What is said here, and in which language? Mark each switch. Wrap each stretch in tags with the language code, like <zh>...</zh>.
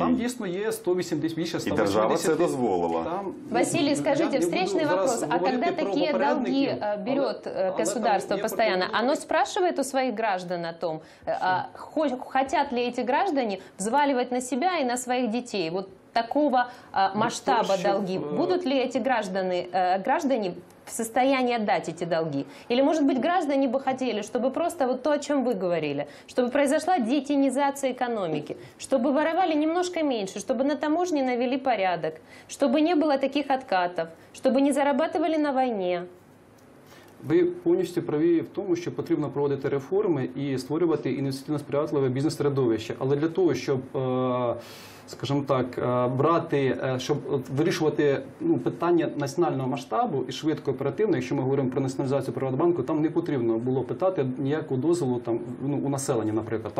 <uk>А там дійсно є 180, більше 180. І держава це дозволила. Там, Василій, скажіть, встречний вопрос, а коли такі долги бере государство постійно, воно спрашує у своїх громадян</uk> <ru>о том,</ru> <uk>хочуть ли ці громадяни взваливати</uk> <ru>на себя и на своих детей. Вот такого масштаба долги. Будут ли эти граждане в состоянии отдать эти долги? Или, может быть, граждане бы хотели, чтобы просто вот то, о чем вы говорили, чтобы произошла детинизация экономики, чтобы воровали немножко меньше, чтобы на таможне навели порядок, чтобы не было таких откатов, чтобы не зарабатывали на войне?</ru> <uk>Ви повністю праві в тому, що потрібно проводити реформи і створювати інвестиційно сприятливе бізнес-середовище. Але для того, щоб, скажімо так, брати, щоб вирішувати питання національного масштабу і швидко оперативно, якщо ми говоримо про націоналізацію Приватбанку, там не потрібно було питати ніякого дозволу там, ну, у населення, наприклад.</uk>